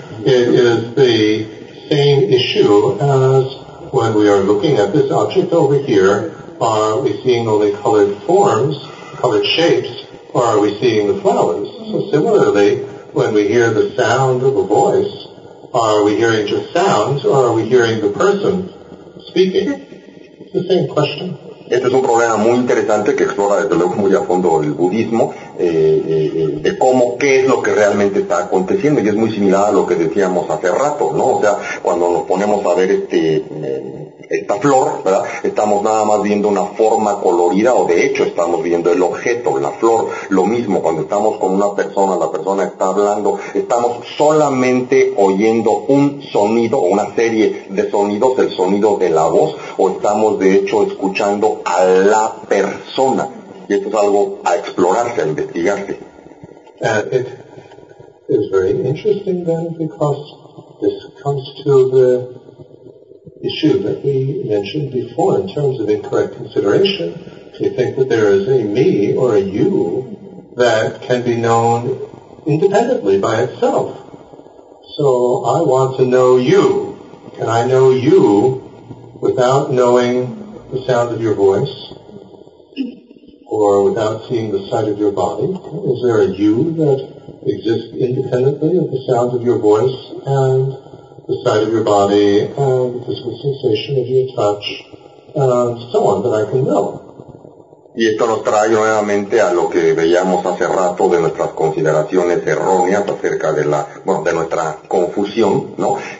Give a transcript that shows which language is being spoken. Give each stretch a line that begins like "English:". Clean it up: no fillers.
English: It is the same issue as when we are looking at this object over here, are we seeing only colored forms, colored shapes, Or are we seeing the flowers? So similarly, when we hear the sound of a voice, are we hearing just sounds, or are we hearing the person speaking? It's the same question.
Spanish: Este es un problema muy interesante que explora desde luego muy a fondo el budismo, de cómo, qué es lo que realmente está aconteciendo, y es muy similar a lo que decíamos hace rato, ¿no? O sea, cuando nos ponemos a ver esta flor, ¿verdad? Estamos nada más viendo una forma colorida, o de hecho estamos viendo el objeto, la flor. Lo mismo, cuando estamos con una persona, la persona está hablando, estamos solamente oyendo un sonido, o una serie de sonidos, el sonido de la voz, o estamos de hecho escuchando a la persona. Y esto es algo a explorarse, a investigarse.
English: It is very interesting then, because this comes to the issue that we mentioned before in terms of incorrect consideration. If you think that there is a me or a you that can be known independently by itself. So I want to know you. Can I know you without knowing the sound of your voice or without seeing the sight of your body? Is there a you that exists independently of the sound of your voice and the sight of your body, and the physical sensation of your touch, and so on, that I can know?
Spanish: Y esto nos trae nuevamente a lo que veíamos hace rato de nuestras consideraciones erróneas acerca de la, bueno, de nuestra confusión, ¿no?